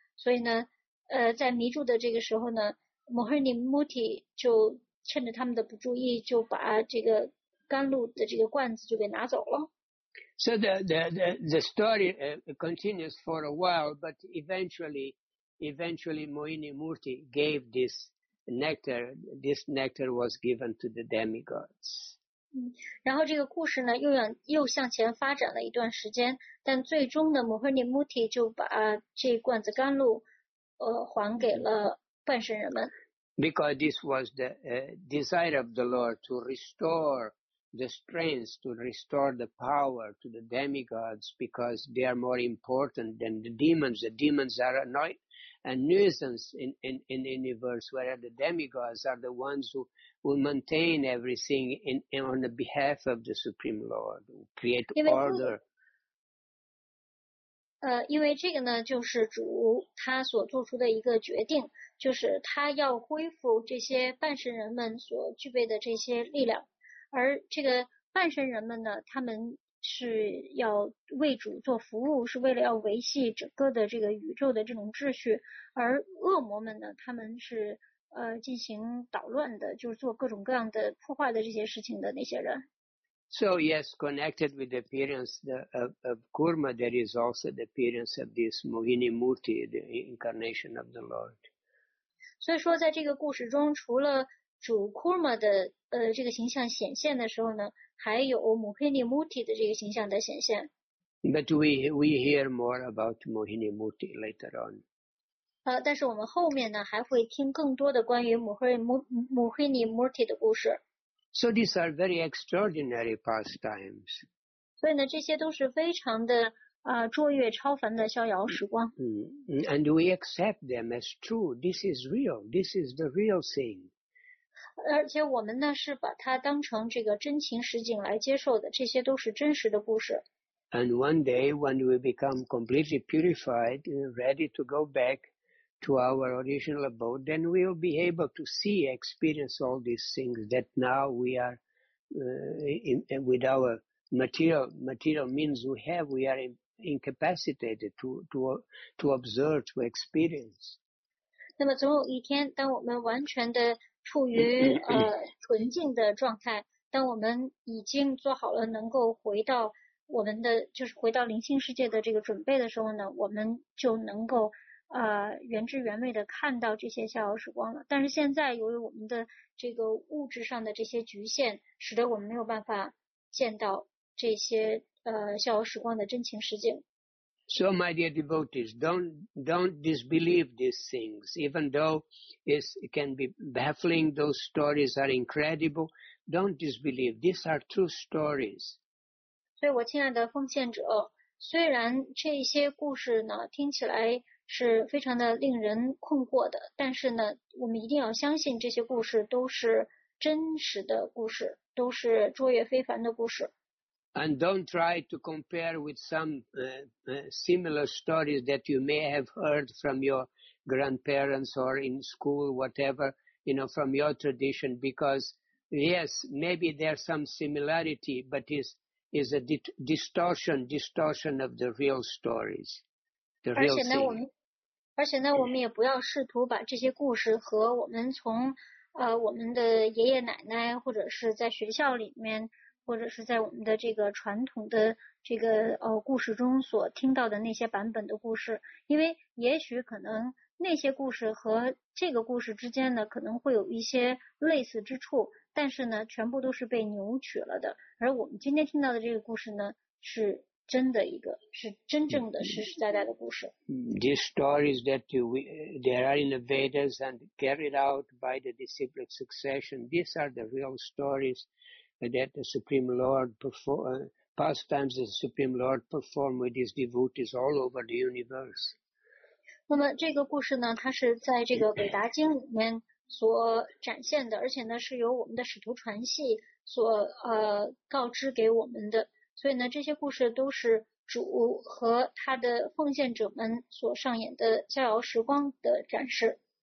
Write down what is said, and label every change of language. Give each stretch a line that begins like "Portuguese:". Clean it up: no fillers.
Chinese: 所以呢，在迷住的这个时候呢。摩诃尼穆提就趁着他们的不注意，就把这个甘露的这个罐子就给拿走了。
English: So the story continues for a while, but eventually Mohini Murti gave this nectar. This nectar was given to the demigods.
Chinese: 然后这个故事呢又向前发展了一段时间，但最终呢，摩诃尼穆提就把这罐子甘露还给了。半神人们
English: because this was the desire of the Lord to restore the strength, to restore the power to the demigods because they are more important than the demons. The demons are a nuisance in the universe, whereas the demigods are the ones who will maintain everything on the behalf of the Supreme Lord, who create order.
Chinese: 因为这个呢，就是主他所做出的一个决定。就是他要恢复这些半神人们所具备的这些力量，而这个半神人们呢，他们是要为主做服务，是为了要维系整个的这个宇宙的这种秩序，而恶魔们呢，他们是进行捣乱的，就是做各种各样的破坏的这些事情的那些人。
English: So yes, connected with the appearance of Kurma, there is also the appearance of this Mohini Murti, the incarnation of the Lord.
Chinese: 所以说在这个故事中除了主 Kurma 的这个形象显现的时候呢，还有 Mohini Murti 的这个形象的显现。
English: But we hear more about Mohini Murti later on.
Chinese: 但是我们后面呢还会听更多的关于 Mohini Murti 的故事。
English: So these are very extraordinary pastimes.
Chinese: 所以呢这些都是非常的卓越超凡的逍遥时光。
English: And we accept them as true. This is real. This is the real thing.
Chinese: 而且我们呢是把它当成这个真情实景来接受的，这些都是真实的故事。
English: And one day when we become completely purified, ready to go back to our original abode, then we will be able to see, experience all these things that now we are with our material means we are incapacitated to observe, to experience.
Chinese: 那么总有一天，当我们完全的处于纯净的状态，当我们已经做好了能够回到我们的就是回到灵性世界的这个准备的时候呢，我们就能够原汁原味的看到这些逍遥时光了。但是现在由于我们的这个物质上的这些局限，使得我们没有办法见到这些逍遥时光的真情实境。
English: So my dear devotees, don't disbelieve these things. Even though it can be baffling, those stories are incredible. Don't disbelieve. These are true stories.
Chinese: 所以我亲爱的奉献者，虽然这些故事呢听起来是非常的令人困惑的，但是呢我们一定要相信这些故事都是真实的故事，都是卓越非凡的故事。
English: And don't try to compare with some similar stories that you may have heard from your grandparents or in school, whatever, you know, from your tradition, because yes, maybe there's some similarity, but it's a distortion of the real stories, the real thing.
Chinese: 而且呢，我们也不要试图把这些故事和我们从我们的爷爷奶奶或者是在学校里面或者是在我们的这个传统的这个故事中所听到的那些版本的故事，因为也许可能那些故事和这个故事之间呢可能会有一些类似之处，但是呢全部都是被扭曲了的，而我们今天听到的这个故事呢是真的一个是真正的实实在在的故事。
English: These stories that there are in the Vedas and carried out by the disciplic succession, these are the real storiesthat the Supreme Lord pastimes the Supreme Lord performed with his devotees all over the universe.
Chinese: 那么这个故事呢，它是在这个韦达经里面所展现的，而且呢是由我们的使徒传系所告知给我们的。所以呢，这些故事都是主和他的奉献者们所上演的逍遥时光的展示。